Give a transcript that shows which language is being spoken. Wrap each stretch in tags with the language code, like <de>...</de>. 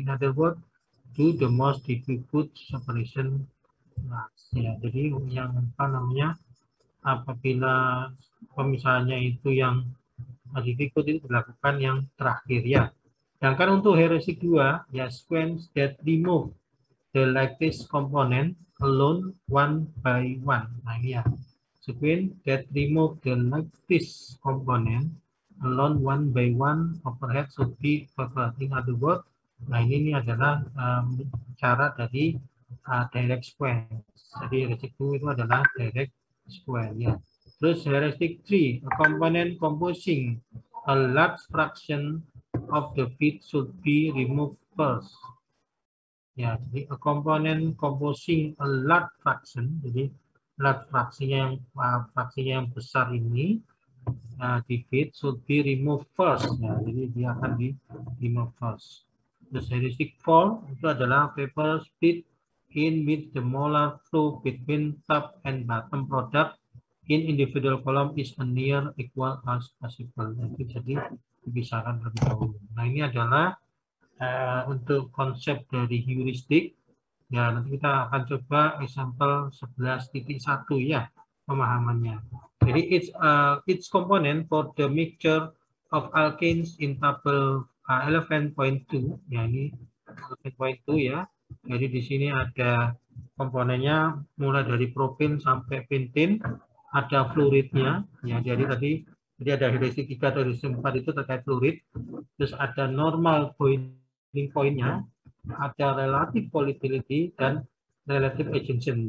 <en>In other words, do the most difficult separation last.</en> <id>Ya, jadi yang apa namanya apabila pemisahannya itu yang difficult itu dilakukan yang terakhir ya. Sedangkan untuk heuristik 2, ya</id> <en>sequence that remove the lightest component alone one by one.</en> <id>Nah ini ya,</id> <en>sequence that remove the lightest component alone one by one overhead should be preferred. In other words,</en> <id>nah ini adalah cara dari direct sequence. Jadi heuristik 2 itu adalah direct sequence ya. Terus heuristik 3,</id> <en>a component composing a large fraction of the feed should be removed first.</en> <id>Ya, jadi</id> <en>a component composing a large fraction,</en> <id>jadi large fraksinya yang besar ini di</id> <en>feed should be removed first.</en> <id>Ya, jadi dia akan di remove first.</id> <en>The heuristic 4</en> <id>itu adalah</id> <en>vapor speed in which the molar flow between top and bottom product in individual column is near equal as possible.</en> <id>Jadi, dipisahkan lebih dahulu. Nah, ini adalah untuk konsep dari heuristik. Ya, nanti kita akan coba example 11.1 ya pemahamannya. Jadi</id> <en>its component for the mixture of alkenes in table 11.2.</en> <id>Ya, ini 11.2 ya. Jadi di sini ada komponennya mulai dari propin sampai pentin, ada fluoridnya. Ya, jadi tadi dia ada heuristik 3 atau heuristik 4 itu terkait fluorid. Terus ada normal point poinnya, ada relative volatility dan relative agitation.</id>